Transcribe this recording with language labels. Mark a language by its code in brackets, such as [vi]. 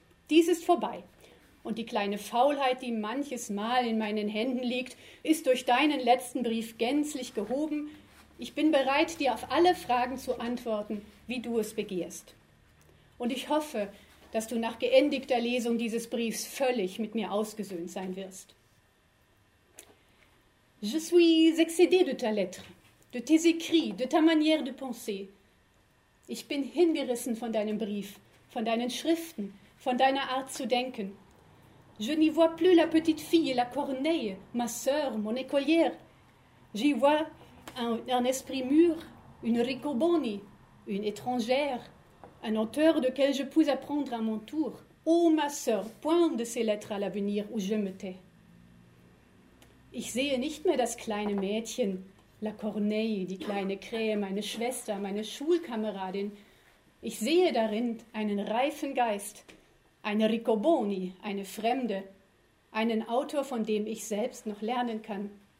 [de] Dies ist vorbei, und die kleine Faulheit, die manches Mal in meinen Händen liegt, ist durch deinen letzten Brief gänzlich gehoben. Ich bin bereit, dir auf alle Fragen zu antworten, wie du es begehrst. Und ich hoffe, dass du nach geendigter Lesung dieses Briefs völlig mit mir ausgesöhnt sein wirst. [fr] Je suis excédé de ta lettre, de tes écrits, de ta manière de penser. [de] Ich bin hingerissen von deinem Brief, von deinen Schriften, von deiner Art zu denken. [fr] Je n'y vois plus la petite fille, la corneille, ma sœur, mon écolière. J'y vois un esprit mûr, une ricoboni, une étrangère, un auteur de quel je puisse apprendre à mon tour. Ô ma sœur, point de ces lettres à l'avenir où je me tais. [de] Ich sehe nicht mehr das kleine Mädchen, la corneille, die kleine Krähe, meine Schwester, meine Schulkameradin. Ich sehe darin einen reifen Geist, eine ricoboni, eine Fremde, einen Autor, von dem ich selbst noch lernen kann.